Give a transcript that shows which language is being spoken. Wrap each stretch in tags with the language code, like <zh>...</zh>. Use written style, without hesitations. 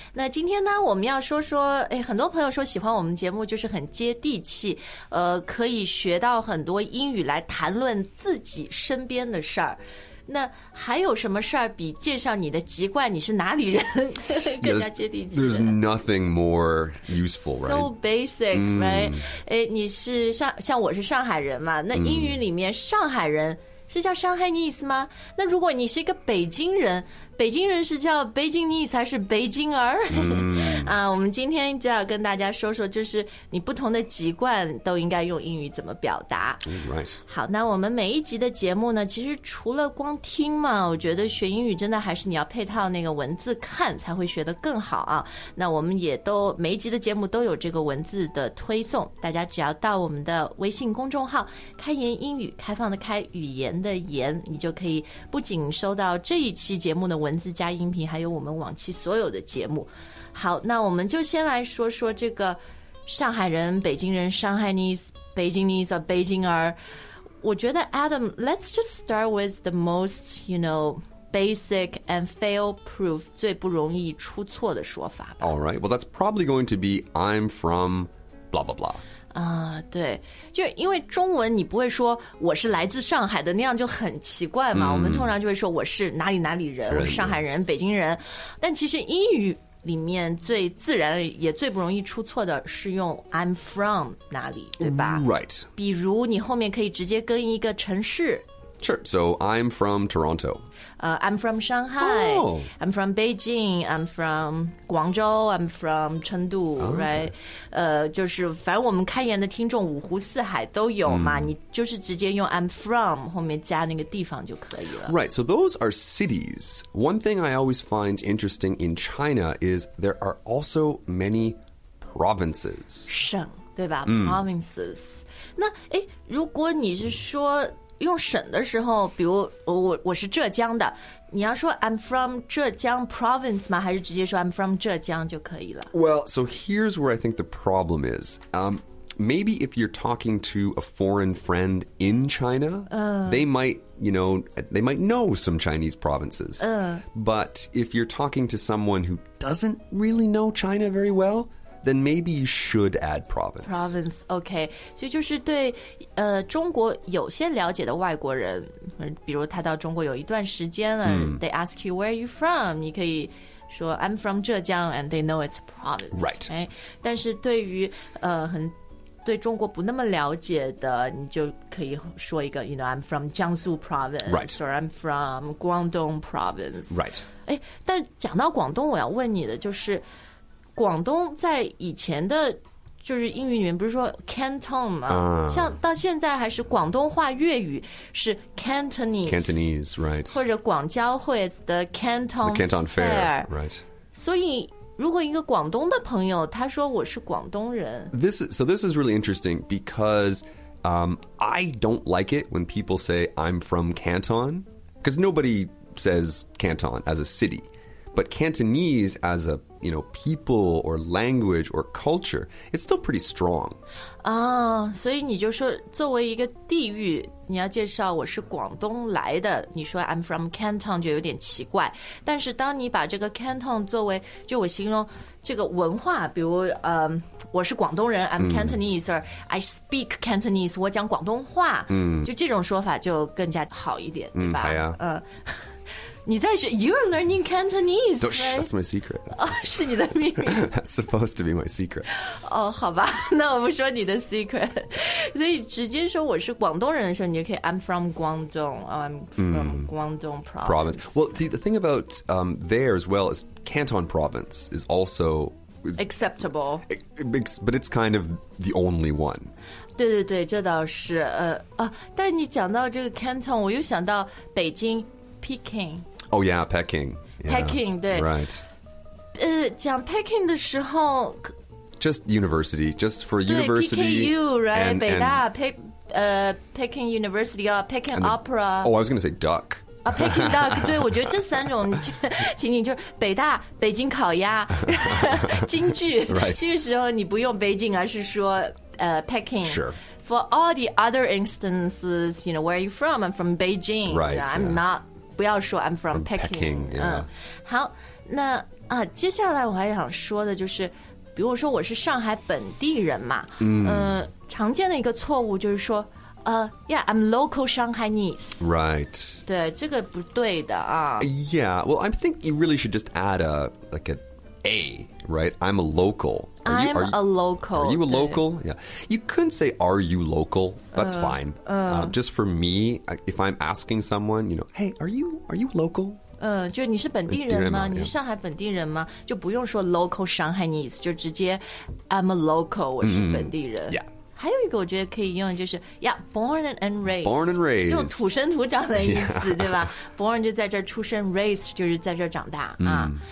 <zh>那今天呢，我们要说说，很多朋友说喜欢我们节目就是很接地气，可以学到很多英语来谈论自己身边的事儿。那还有什么事儿比介绍你的籍贯，你是哪里人，更加接地气的</zh> <en>？There's nothing more useful, right? So basic, right?</en> <zh>你是像我是上海人嘛？那英语里面上海人是叫上海 nese 吗？那如果你是一个北京人，北京人是叫 Beijingese 还是北京儿？我们今天就要跟大家说说，就是你不同的籍贯都应该用英语怎么表达。</zh> <en>Right.</en> <zh>好，那我们每一集的节目呢，其实除了光听嘛，我觉得学英语真的还是你要配套那个文字看才会学得更好啊。那我们也都每一集的节目都有这个文字的推送，大家只要到我们的微信公众号“开言英语”，开放的开，语言的言，你就可以不仅收到这一期节目的文字加音频，还有我们往期所有的节目。好，那我们就先来说说这个上海人、北京人、上海 nese、北京 nese 和北京儿。我觉得</zh> <en>Adam, let's just start with the most, you know, basic and fail-proof,</en> <zh>最不容易出错的说法吧。</zh> <en>All right, well, that's probably going to be I'm from blah, blah, blah.</en> <zh>对，就因为中文你不会说我是来自上海的，那样就很奇怪嘛。我们通常就会说我是哪里哪里人，我是上海人、北京人。但其实英语里面最自然也最不容易出错的是用</zh> <en>I'm from</en> <zh>哪里，对吧</zh> <en>？Right.</en> <zh>比如你后面可以直接跟一个城市。</zh> <en>Sure. So I'm from Toronto. I'm from Shanghai.、 Oh. I'm from Beijing. I'm from Guangzhou. I'm from Chengdu.、 Oh. Right.</en> <zh>就是反正我们开言的听众五湖四海都有嘛。你就是直接用</zh> <en>I'm from</en> <zh>后面加那个地方就可以了。</zh> <en>Right. So those are cities. One thing I always find interesting in China is there are also many provinces.</en> <zh>省对吧、Provinces. 那如果你是说用省的时候，比如我是浙江的，你要说</zh> <en>I'm from 浙江 province</en> <zh>吗？还是直接说</zh> <en>I'm from</en> <zh>浙江就可以了</zh> <en>？Well, so here's where I think the problem is. Maybe if you're talking to a foreign friend in China, they might, you know, they might know some Chinese provinces. But if you're talking to someone who doesn't really know China very well. Then maybe you should add province. Province, okay.</en> <zh>所以就是对中国有些了解的外国人，比如他到中国有一段时间了、</zh> <en>they ask you where are you from?</en> <zh>你可以说</zh> <en>I'm from 浙江 and they know it's province. Right. Okay?</en> <zh>但是对于对中国不那么了解的，你就可以说一个</zh> <en>you know, I'm from Jiangsu province. Right. Or I'm from Guangdong province. Right.</en> <zh>但讲到广东，我要问你的就是广东在以前的就是英语里面不是说 Canton 吗、像到现在还是广东话粤语是 Cantonese,</zh> <en>right.</en> <zh>或者广交会</zh> <en>the Canton Fair, right.</en> <zh>所以如果一个广东的朋友他说我是广东人</zh> <en>This is really interesting because、I don't like it when people say I'm from Canton because nobody says Canton as a city. But Cantonese as a, you know, people or language or culture, it's still pretty strong. Oh, so you just say,</en> <zh>作为一个地域，你要介绍我是广东来的，你说</zh> <en>I'm from Canton</en> <zh>就有点奇怪。但是当你把这个 Canton 作为，就我形容这个文化，比如我是广东人 ，</zh> <en>I'm Cantonese, or I speak Cantonese,</en> <zh>我讲广东话，就这种说法就更加好一点，对吧？哎呀，你在学</zh> <en>You're learning Cantonese right? That's my secret That's 是你的秘密 That's supposed to be my secret</en> <zh>好吧那我不说你的 secret 所以直接说我是广东人的时候你就可以</zh> <en>I'm from Guangdong I'm from Guangdong province Well, see, the thing about there as well is Canton province is also acceptable but it's kind of the only one</en> <zh>对对对这倒是但你讲到这个 Canton 我又想到北京Peking.</zh> <en>Oh yeah, Peking. Peking, yeah,</en> <zh>对</zh> <en>Right.</en> <zh>讲 Peking 的时候</zh> <en>Just university, just for university. PKU, right? And,</en> <zh>北大</zh> <en>Peking University, Peking and Opera. Oh, I was going to say duck. Peking duck,</en> <zh>对我觉得这三种情景就是北大、北京烤鸭、京剧。</zh> <en>Right.</en> <zh>这个时候你不用北京而是说Peking.</zh> <en>Sure. f for all the other instances, you know, where are you from? I'm from Beijing. Right. Yeah, I'm not,</en> <zh>不要说</zh> <en>I'm from Peking. Peking, yeah.</en> <zh>好，那啊，接下来我还想说的就是，比如说我是上海本地人嘛，嗯，常见的一个错误就是说，</zh> <en>yeah, I'm local Shanghainese. Right.</en> <zh>对，这个不对的啊。</zh> <en>Yeah, well, I think you really should just add a, like an A, right? I'm a local. I'm a local. Are you a local? Yeah. You couldn't say, are you local? That's fine. Just for me, if I'm asking someone, you know, hey, are you local?</en> <zh>就是你是本地人吗？你是上海本地人吗？</zh> <en>Yeah.</en> <zh>就不用说</zh> <en>local Shanghainese,</en> <zh>就直接</zh> <en>I'm a local,</en> <zh>我是本地人。</zh> <en>Mm-hmm. Yeah.</en> <zh>还有一个我觉得可以用就是</zh> <en>Yeah, born and raised</en> <zh>这种土生土长的意思、</zh> <en>yeah.</en> <zh>对吧 Born 就在这儿出生 Raised 就是在这儿长大、mm. 啊。</zh>